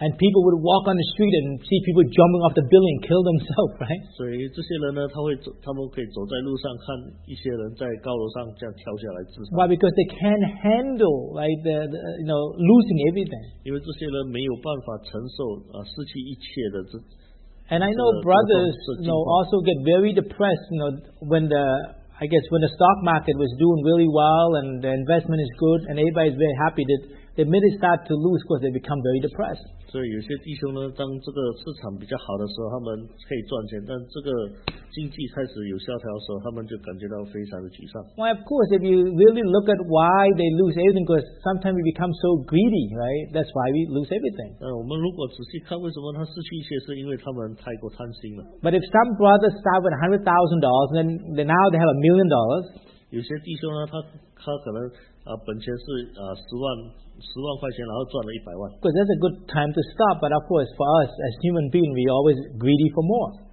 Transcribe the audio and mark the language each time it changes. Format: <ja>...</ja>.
<en>And people would walk on the street and see people jumping off the building, kill themselves, right?</en> <zh>所以这些人呢，他们可以走在路上，看一些人在高楼上这样跳下来自杀。</zh> <en>Why? Because they can't handle, like the you know, losing everything.</en> <zh>因为这些人没有办法承受失去一切的这。</zh> <en>And I know brothers, you know, also get very depressed, you know, when the stock market was doing really well and the investment is good and everybody is very happy, that the minute they start to lose, of course, they become very depressed.</en> <zh>所以有些弟兄呢，当这个市场比较好的时候，他们可以赚钱，但这个经济开始有萧条的时候，他们就感觉到非常的沮丧。</zh> <en>Why, of course, if you really look at why they lose everything, because sometimes we become so greedy, right? That's why we lose everything.</en> <zh>我们如果仔细看为什么他失去一些，是因为他们太过贪心了。</zh> <en>But if some brothers start with $100,000, then now they have $1,000,000.</en> <zh>有些弟兄呢，他可能本钱是十万块钱，然后赚了100万。</zh> <en>Good, that's a good time to stop. But of course, for us as human beings, we always greedy for more.</en>